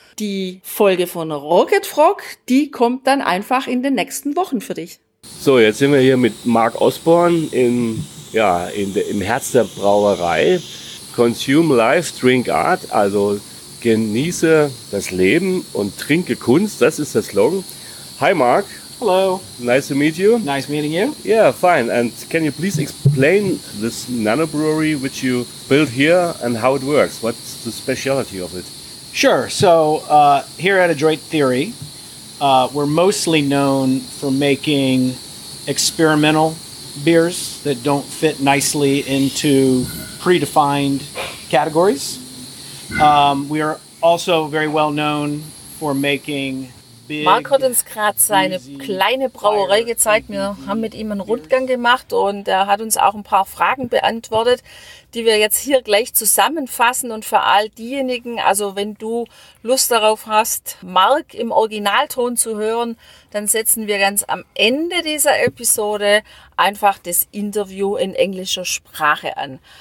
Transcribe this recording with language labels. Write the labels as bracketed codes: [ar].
[de] Die Folge von Rocket Frog, die kommt dann einfach in den nächsten Wochen für dich. So, jetzt sind wir hier mit Mark Osborne im Herz der Brauerei. [en] Consume Life, Drink Art, [de] also genieße das Leben und trinke Kunst, das ist der Slogan. [en] Hi Mark. Hello. Nice to meet you. Nice meeting you. Yeah, fine. And can you please explain this nano brewery which you built here and how it works? What's the specialty of it? Sure. So here at Adroit Theory, we're mostly known for making experimental beers that don't fit nicely into predefined categories. We are also very well known for making big. [de] Mark hat uns gerade seine kleine Brauerei gezeigt. Wir haben mit ihm einen Rundgang gemacht und er hat uns auch ein paar Fragen beantwortet, die wir jetzt hier gleich zusammenfassen und für all diejenigen, also wenn du Lust darauf hast, Mark im Originalton zu hören, dann setzen wir ganz am Ende dieser Episode einfach das Interview in englischer Sprache an.